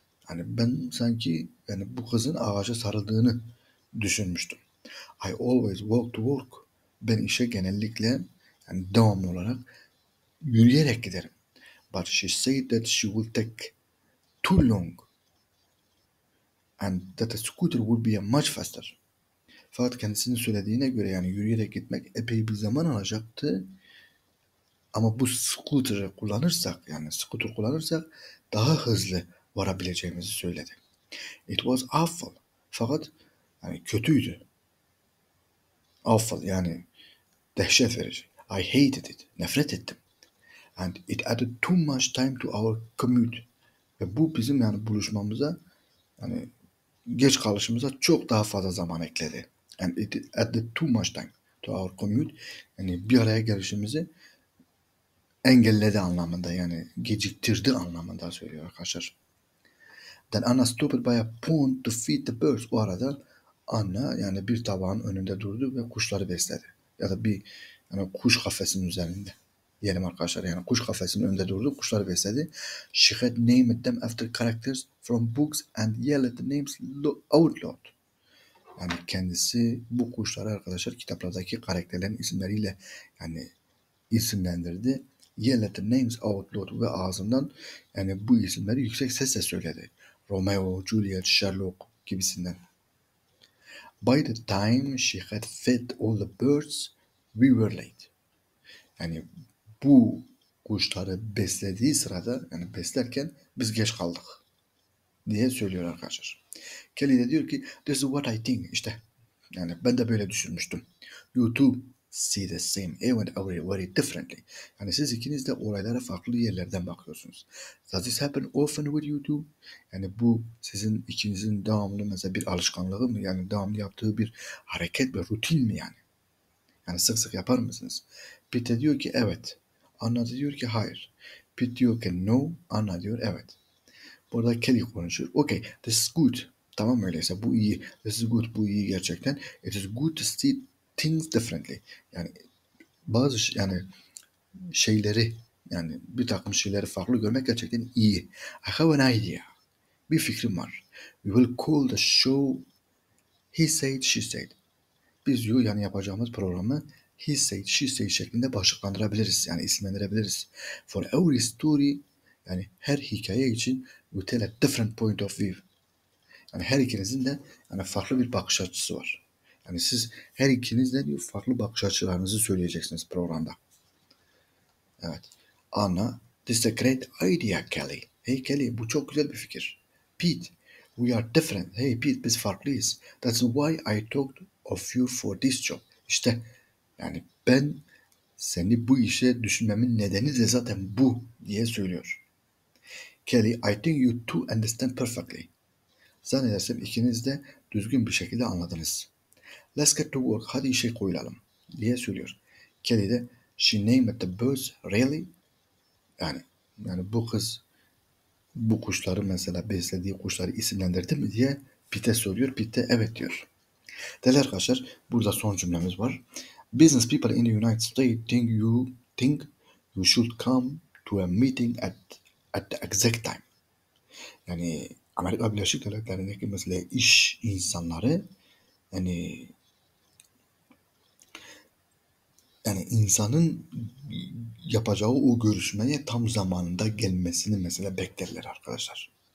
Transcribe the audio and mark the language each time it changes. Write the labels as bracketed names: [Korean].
[Turkish] Yani ben sanki yani bu kızın ağaca sarıldığını düşünmüştüm. [English] I always walk to work. [Turkish] Ben işe genellikle yani devamlı olarak yürüyerek giderim. [English] But she said that she will take too long and that a scooter would be much faster. [Turkish] Fakat kendisinin söylediğine göre yani yürüyerek gitmek epey bir zaman alacaktı. Ama bu scooter'ı kullanırsak yani scooter kullanırsak daha hızlı varabileceğimizi söyledi. [English] It was awful. [Turkish] Fakat yani kötüydü. Awful yani dehşet verici. [English] I hated it. [Turkish] Nefret ettim. [English] And it added too much time to our commute. [Turkish] Ve bu bizim yani buluşmamıza yani geç kalışımıza çok daha fazla zaman ekledi. [English] And it added too much time to our commute. [Turkish] Yani bir araya gelişimizi engelledi anlamında yani geciktirdi anlamında söylüyor arkadaşlar. [English] Then Anna stopped by a pond to feed the birds. [Turkish] O arada Anna yani bir tabağın önünde durdu ve kuşları besledi. Ya da bir yani kuş kafesinin üzerinde. Diyelim arkadaşlar yani kuş kafesinin önünde durdu, kuşları besledi. [English] She had named them after characters from books and yelled the names out loud. [Turkish] Yani kendisi bu kuşları arkadaşlar kitaplardaki karakterlerin isimleriyle yani isimlendirdi. [English] Yelled the names out loud [Turkish] ve ağzından yani bu isimleri yüksek sesle söyledi. Romeo, Juliet, Sherlock gibisinden. [English] By the time she had fed all the birds, we were late. [Turkish] Yani bu kuşları beslediği sırada yani beslerken biz geç kaldık diye söylüyor arkadaşlar. Kelly de diyor ki [English] this is what I think [Turkish] işte yani ben de böyle düşünmüştüm. [English] You two see the same event very differently. [Turkish] Yani siz ikiniz de olaylara farklı yerlerden bakıyorsunuz. [English] Does this happen often with you two? [Turkish] Yani bu sizin ikinizin devamlı mesela bir alışkanlığı mı yani devamlı yaptığı bir hareket mi rutin mi yani? Yani sık sık yapar mısınız? Pete diyor ki evet. Anna da diyor ki hayır. Pete diyor ki no. Anna diyor evet. Burada Kelly konuşuyor. [English] Okay, this is good. [Turkish] Tamam öyleyse bu iyi. [English] This is good. [Turkish] Bu iyi gerçekten. [English] It is good to see things differently. [Turkish] Yani bazı yani şeyleri yani bir takım şeyleri farklı görmek gerçekten iyi. [English] I have an idea. [Turkish] Bir fikrim var. [English] We will call the show he said, she said. [Turkish] Biz diyor yani yapacağımız programı he said, she said şeklinde başlıklandırabiliriz. Yani isimlendirebiliriz. [English] For every story [Turkish] yani her hikaye için [English] we tell a different point of view. [Turkish] Yani her ikinizin de yani farklı bir bakış açısı var. Yani siz her ikiniz de diyor farklı bakış açılarınızı söyleyeceksiniz programda. [English] Evet. Anna, this is a great idea, Kelly. [Turkish] Hey Kelly, bu çok güzel bir fikir. Pete, [English] we are different. [Turkish] Hey Pete, biz farklıyız. [English] That's why I talked of you for this job. [Turkish] İşte yani ben seni bu işe düşünmemin nedeni de zaten bu diye söylüyor. [English] Kelly, I think you two understand perfectly. [Turkish] Zannedersem ikiniz de düzgün bir şekilde anladınız. [English] Let's get to work. [Turkish] Hadi işe koyulalım diye söylüyor. Kelly de [English] she named the birds really. [Turkish] Yani bu kız bu kuşları mesela beslediği kuşları isimlendirdi mi diye Pete soruyor. Pete de evet diyor. Değerli arkadaşlar burada son cümlemiz var. [English] Business people in the United States think you should come to a meeting at the exact time. [Turkish] Yani Amerika Birleşik Devletleri'ndeki mesela iş insanları yani insanın yapacağı o görüşmeye tam zamanında gelmesini mesela beklerler arkadaşlar.